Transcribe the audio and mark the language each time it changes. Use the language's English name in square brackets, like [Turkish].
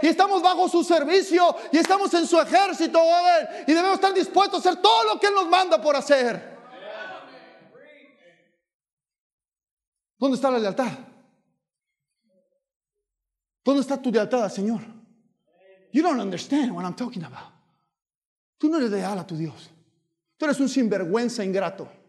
[Spanish] Y estamos bajo su servicio. Y estamos en su ejército, joven. Y debemos estar dispuestos a hacer todo lo que Él nos manda por hacer. ¿Dónde está la lealtad? ¿Dónde está tu lealtad, Señor? [English] You don't understand what I'm talking about. [Spanish] Tú no eres leal a tu Dios. Tú eres un sinvergüenza ingrato.